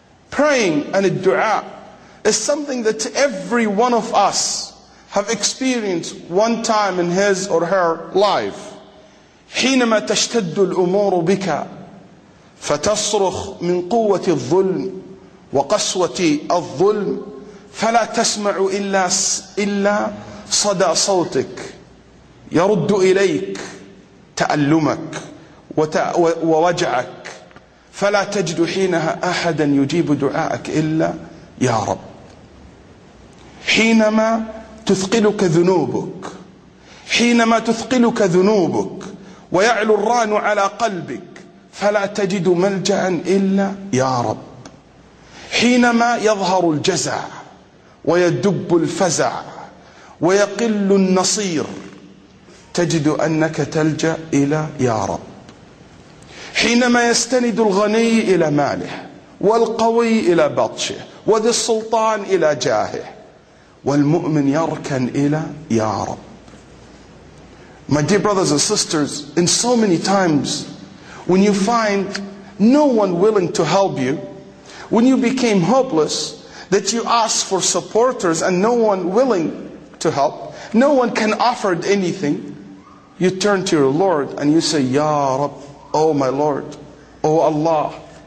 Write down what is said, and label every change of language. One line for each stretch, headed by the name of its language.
English: Praying and a dua is something that every one of us have experienced one time in his or her life.
Arabic: حينما تشتد الأمور بك فتصرخ من قوة الظلم وقسوة الظلم فلا تسمع إلا صدى صوتك يرد إليك تألمك ووجعك فلا تجد حينها أحدا يجيب دعاءك إلا يا رب. حينما تثقلك ذنوبك، حينما تثقلك ذنوبك ويعلو الران على قلبك فلا تجد ملجأ إلا يا رب. حينما يظهر الجزع ويدب الفزع ويقل النصير تجد أنك تلجأ إلى يا رب. حينما يستند الغني إلى ماله، والقوي إلى بطشه، وذي السلطان إلى جاهه، والمؤمن يركن إلى يا رب.
English: My dear brothers and sisters, in so many times when you find no one willing to help you, when you became hopeless that you ask for supporters and no one willing to help, no one can offer anything, you turn to your Lord and you say, Ya Rab, oh my Lord, oh Allah.